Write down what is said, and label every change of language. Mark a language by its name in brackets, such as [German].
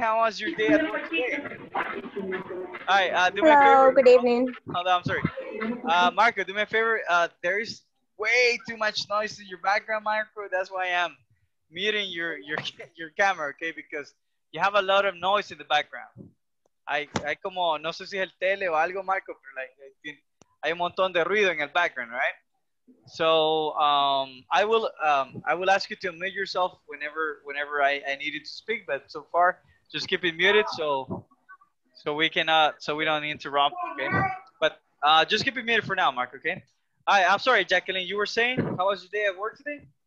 [English] How was your day at work today? Hi, do hello, me a favor. Good evening. Hold on, I'm sorry. Marco, do me a favor. There is way too much noise in your background, Marco. That's why I'm muting your camera, okay? Because you have a lot of noise in the background. [Spanish] I como, no sé si es el tele o algo, Marco, pero like, hay un montón de ruido en el background, right? [English] So I will ask you to unmute yourself whenever I need you to speak, but so far just keep it muted so we don't interrupt, okay? But just keep it muted for now, Mark, okay? All right, I'm sorry, Jacqueline, you were saying, how was your day at work today?